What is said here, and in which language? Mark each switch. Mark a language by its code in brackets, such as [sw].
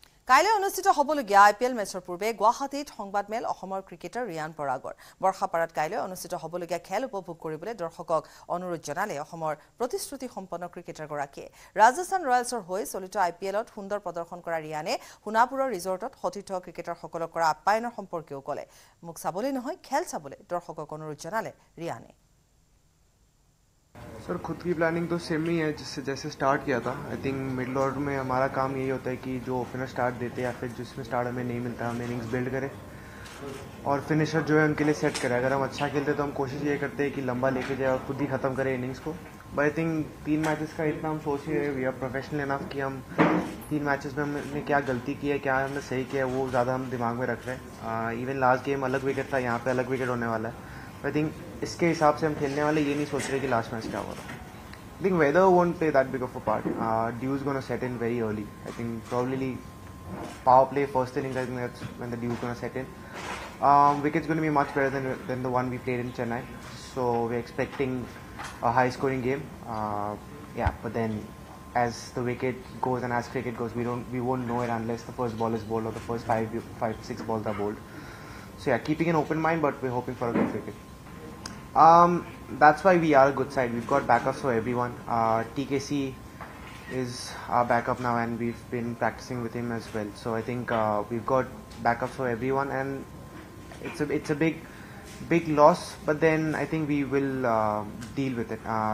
[as] কাইলৈ অনুষ্ঠিত হ'বলগীয়া আই পি এল মেচৰ পূৰ্বে গুৱাহাটীত সংবাদমেল অসমৰ ক্ৰিকেটাৰ ৰিয়ান পৰাগৰ বৰ্ষাপাৰাত কাইলৈ অনুষ্ঠিত হ'বলগীয়া খেল উপভোগ কৰিবলৈ দৰ্শকক অনুৰোধ জনালে অসমৰ প্ৰতিশ্ৰুতি সম্পন্ন ক্ৰিকেটাৰগৰাকীয়ে। ৰাজস্থান ৰয়েলছৰ হৈ চলিত আই পি এলত সুন্দৰ প্ৰদৰ্শন কৰা ৰিয়ানে সোণাপুৰৰ ৰিজৰ্টত সতীৰ্থ ক্ৰিকেটাৰসকলক কৰা আপ্যায়নৰ সম্পৰ্কেও ক'লে, মোক চাবলৈ নহয় খেল চাবলৈ দৰ্শকক অনুৰোধ জনালে ৰিয়ানে। [hi] सर खुद की प्लानिंग तो सेम ही है जिससे जैसे स्टार्ट किया था। आई थिंक मिडल ऑर्डर में हमारा काम यही होता है कि जो ओपनर स्टार्ट देते हैं या फिर जिसमें स्टार्ट हमें नहीं मिलता हम इनिंग्स बिल्ड करें और फिनिशर जो है उनके लिए सेट करें। अगर हम अच्छा खेलते तो हम कोशिश ये करते हैं कि लंबा लेके जाए और खुद ही ख़त्म करें इनिंग्स को। [en] but I think [hi] तीन मैचेस का इतना हम सोच ही रहे, [en] we are professional enough [hi] कि हम तीन मैचेस में हमने क्या गलती की है क्या हमने सही किया है वो ज़्यादा हम दिमाग में रख रहे हैं। [en] even last game [hi] अलग विकेट था, यहाँ पर अलग विकेट होने वाला है। आई थिंक इसके हिसाब से हम खेलने वाले ये नहीं सोच रहे कि लास्ट मैच क्या होगा। [en] I think weather won't play that big of a part, dew is gonna set in very early. I think probably power play first inning when the dew is gonna set in, wickets gonna be much better than the one we played in Chennai, so we are expecting a high scoring game. Yeah but then as the wicket goes and as cricket goes we won't know it unless the first ball is bowled और the first five six balls are bowled. So yeah keeping an open mind but we hoping for a good cricket. That's why we are a good side. We've got backups for everyone. TKC is our backup now and we've been practicing with him as well. So I think we've got backups for everyone and it's a big loss, but then I think we will deal with it.